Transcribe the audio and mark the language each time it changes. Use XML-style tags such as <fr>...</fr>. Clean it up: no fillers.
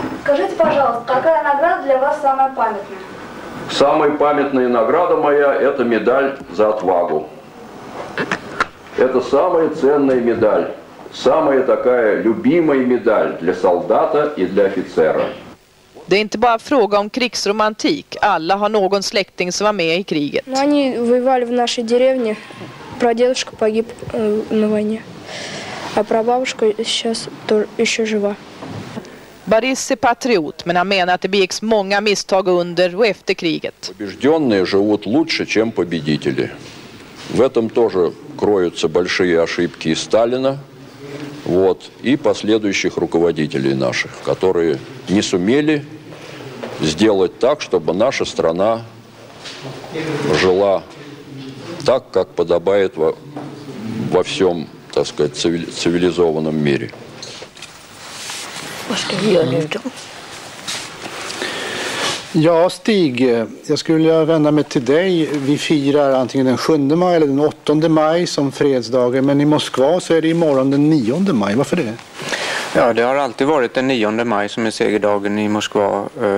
<ru>Скажите, пожалуйста, какая награда для вас самая памятная? Самая памятная награда моя – это медаль за отвагу. Это самая ценная медаль, самая такая любимая медаль для солдата и для офицера.</ru> <sv>Det är inte bara fråga om krigsromantik. Alla har någon släkting som var med i kriget.</sv> <ru>Но они воевали в нашей деревне. Прадедушка погиб на войне. А прабабушка сейчас еще жива.</ru> <sv>Борис är патриот, men han menar att det begicks många misstag under och efter kriget.</sv> <ru>Побежденные живут лучше, чем победители. В этом тоже кроются большие ошибки Сталина. Вот, и последующих руководителей наших, которые не сумели сделать так, чтобы наша страна жила так, как подобает во всем, так сказать, цивилизованном мире.</ru> <sv>Ja, Stig, jag skulle vända mig till dig. Vi firar antingen den 7 maj eller den 8 maj som fredsdagen. Men i Moskva så är det imorgon den 9 maj. Varför det? Ja, det har alltid varit den 9 maj som är segerdagen i Moskva.</sv>